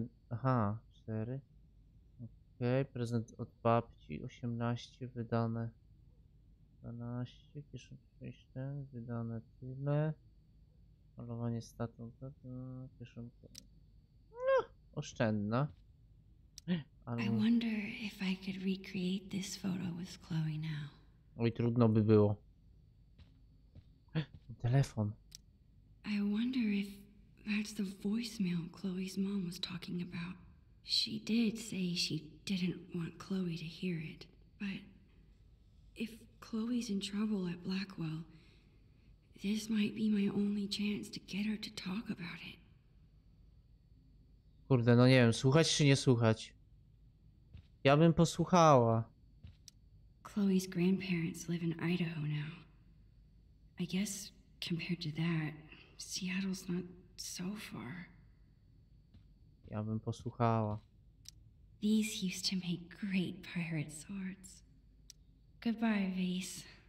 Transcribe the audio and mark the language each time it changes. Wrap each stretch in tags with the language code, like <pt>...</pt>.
<pl>Aha, 4. Okej, okay, prezent od babci 18 wydane. 12, kieszonkowe wydane tyle. Malowanie statu, kieszonko. No, oszczędna.</pl> <en>I wonder if I could recreate this photo with Chloe now.</en> <pl>Oj, trudno by było. Telefon.</pl> <en>I wonder if that's the voicemail Chloe's mom was talking about. She did say she didn't want Chloe to hear it. But if Chloe's in trouble at Blackwell, this might be my only chance to get her to talk about it.</en> <pl>Kurde, no nie wiem, słuchać czy nie słuchać. Ja bym posłuchała.</pl> <en>Chloe's grandparents live in Idaho now. I guess compared to that, Seattle's not so far.</en> <pl>Ja bym posłuchała.</pl> <en>These used to make great pirate swords. Goodbye, Vase.</en>